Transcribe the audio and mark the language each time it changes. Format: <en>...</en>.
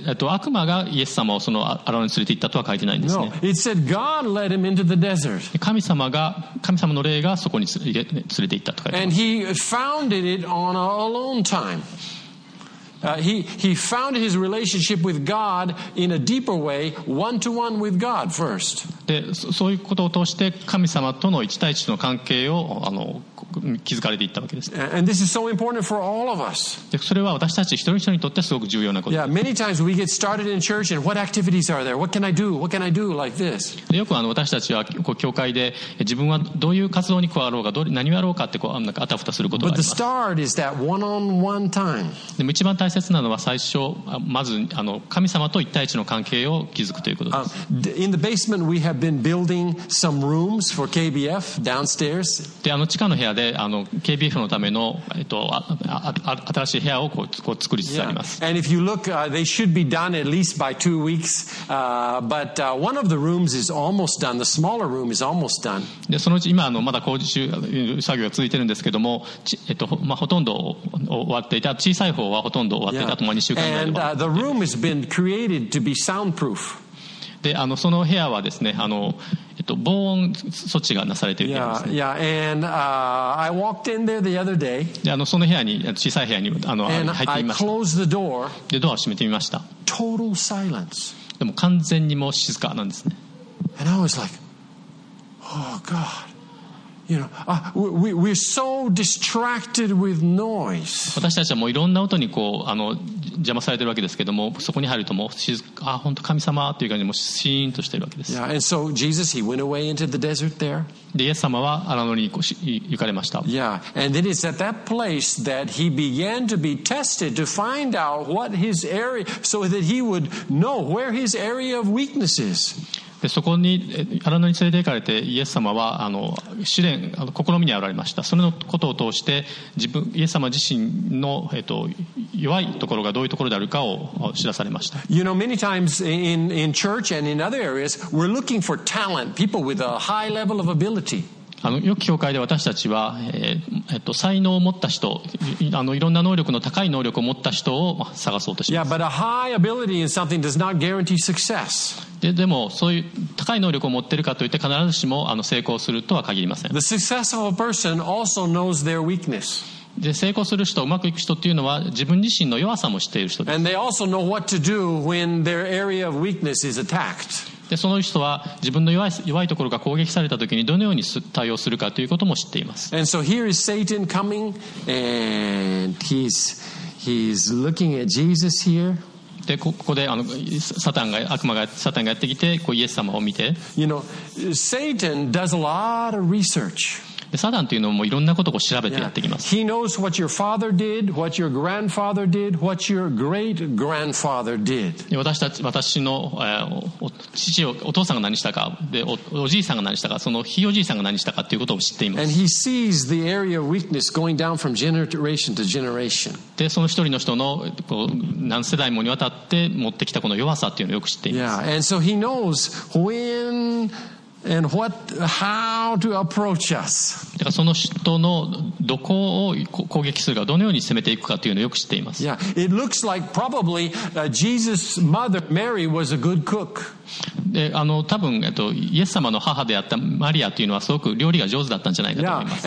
<ja>悪魔がイエス様をその荒野に連れて行ったとは書いてないんですね。</ja> <en>No, it said God led him into the desert.</en> <ja>神様の霊がそこに連れて行ったと書いてます。</ja> <en>And he founded it on a alone time. He found his relationship with God in a deeper way, one to one with God first.</en> <ja>で、そういうことを通して神様との一対一の関係を築かれていったわけです。</ja> <en>And this is so important for all of us.</en> <ja>で、それは私たち一人一人にとってすごく重要なことです。</ja> <en>Yeah, many times we get started in church and what activities are there? What can I do? What can I do like this?</en> <ja>で、よく私たちは教会で自分はどういう活動に加わろうか、何をやろうかってなんかあたふたすることがあります。</ja> <en>But the start is that one-on-one time.</en> <ja>で、一番大切なのは最初、まず神様と一対一の関係を築くということです。</ja> <en>In the basement we have been building some rooms for KBF downstairs.</en> <ja>で、地下の部屋でKBF のための新しい部屋をこう作りつつあります。</ja> <en>Yeah. And if you look, they should be done at least by 2 weeks. But one of the rooms is almost done. The smaller room is almost done.</en> <ja>で、そのうち今まだ工事中作業が続いてるんですけども、ほとんど終わっていた小さい方はほとんど終わっていた、あと2週間ぐらいで。</ja> <en>And the room has been created to be soundproof.</en> <ja>で、その部屋はですね、防音措置がなされているんですね。</ja> <en>Yeah, yeah. And, I walked in there the other day.</en> <ja>で、その部屋に、小さい部屋に入ってみました。</ja> <en>I closed the door.</en> <ja>で、ドアを閉めてみました。</ja> <en>Total silence.</en> <ja>でも完全にもう静かなんですね。</ja> <en>And I was like, oh God. You know, we're so distracted with noise.</en> <ja>私たちはもういろんな音にこう邪魔されてるわけですけども、そこに入るともう静か、本当神様という感じでもうシーンとしてるわけです。</ja> <en>Yeah, and so Jesus, he went away into the desert there.</en> <ja>で、イエス様は荒野に行かれました。</ja> <en>Yeah, and then it's at that place that he began to be tested to find out what his area, so that he would know where his area of weakness is.</en> <ja>で、そこに荒野に連れて行かれて、イエス様は試練、試みにあられました。それのことを通して自分、イエス様自身の弱いところがどういうところであるかを知らされました。</ja> <en>You know, many times in church and in other areas we're looking for talent, people with a high level of ability</en> <ja>よく教会で私たちは、才能を持った人、いろんな能力の高い能力を持った人を探そうとします。</ja> <en>Yeah, but a high ability in something does not guarantee success.</en> <ja>でもそういう高い能力を持っているかといって必ずしも成功するとは限りません。</ja> <en>The successful person also knows their weakness.</en> <ja>で、成功する人、うまくいく人というのは自分自身の弱さも知っている人です。</ja> <en>And they also know what to do when their area of weakness is attacked.</en> <ja>で、その人は自分の弱いところが攻撃されたときにどのように対応するかということも知っています。</ja> <en>And so here is Satan coming, and he's looking at Jesus here.</en> <ja>で、ここでサタンがやってきて、こうイエス様を見て。</ja> <en>You know, Satan does a lot of research.</en> <ja>でサタンというのもいろんなことを調べてやってきます。</ja> <en>He knows what your father did, what your grandfather did, what your great grandfather did.</en> <ja>私の、父をお父さんが何したか、で おじいさんが何したか、そのひいおじいさんが何したかということを知っています。</ja> <en>And he sees the area of weakness going down from generation to generation.</en> <ja>でその一人の人のこう何世代もにわたって持ってきたこの弱さというのをよく知っています。</ja> <en>Yeah, and so he knows whenAnd what, how to approach us.</en> <ja>だからその人のどこを攻撃するか、どのように攻めていくかというのをよく知っています。</ja> <en>Yeah, it looks like probably Jesus' mother Mary was a good cook.</en> <ja>で、多分イエス様の母であったマリアというのはすごく料理が上手だったんじゃないかと思います。</ja>